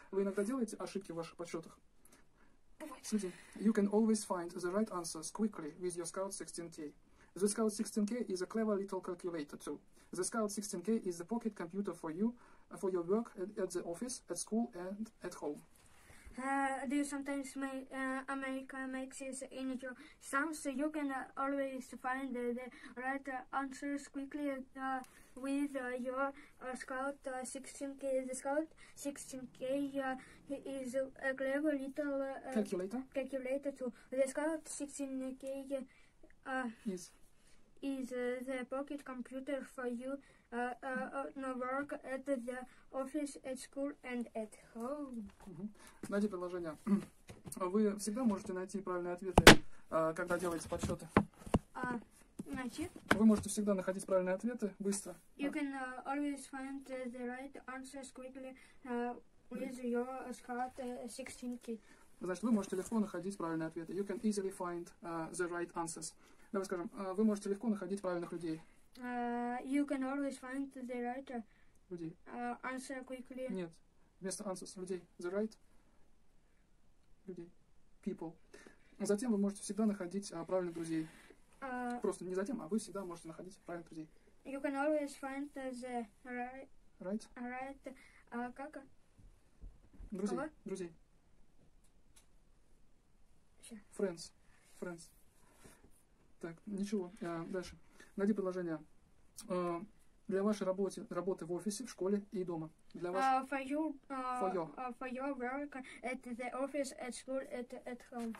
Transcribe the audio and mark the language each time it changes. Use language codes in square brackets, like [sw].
[ru] Вы иногда делаете ошибки в ваших подсчетах? Следи. [en] You can always find the right answers quickly with your Scout 16K. The Scout 16K is a clever little calculator too. The Scout 16K is the pocket computer for you, for your work at the office, at school, and at home. Do you sometimes make mistakes in your sums? You can always find the right answers quickly with your Scout 16K. The Scout 16K is a clever little calculator too. The Scout 16K is the pocket computer for you no work at the office, at school, and at home. [ru] Uh-huh. Найди предложение. Вы всегда можете найти правильные ответы, когда делаете подсчеты? Вы можете всегда находить правильные ответы быстро. [en] You can always find the right answers quickly with your Scout 16K. [ru] Значит, вы можете легко находить правильные ответы. [en] You can easily find the right answers. [ru] Давай скажем, вы можете легко находить правильных людей. [en] You can always find the right [ru] людей. [en] Answer quickly. [ru] Нет, вместо answers людей. The right людей. People. Затем вы можете всегда находить правильных друзей. Просто не затем, а вы всегда можете находить правильных друзей. [en] You can always find the right как? [ru] Друзей. Кого? Друзей. [en] Sure. [ru] Friends. Так, ничего, дальше. Найди предложение. Для вашей работы в офисе, в школе и дома. Для вас... [en] For your work at the office, at school, at home.